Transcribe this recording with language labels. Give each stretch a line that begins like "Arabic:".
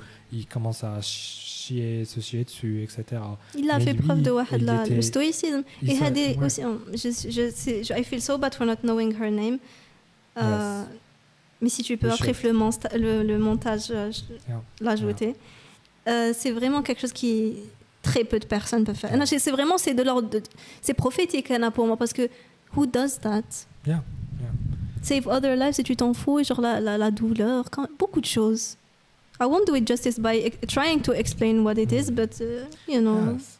French: Ils commencent à chier, se chier dessus, etc. Il a fait preuve de le stoïcisme. Il a des. Ouais. Aussi,
English: I feel so bad for not knowing her name. Yes.
French: Mais si tu peux après le montage l'ajouter, c'est vraiment quelque chose qui très peu de personnes peuvent faire. Yeah. C'est vraiment de l'ordre, c'est prophétique, Anna, pour moi, parce que
English: who does that? Yeah. Yeah. Save other lives,
French: et tu t'en fous, genre la douleur, beaucoup de choses.
English: I won't do it justice by trying to explain what it is, but you know,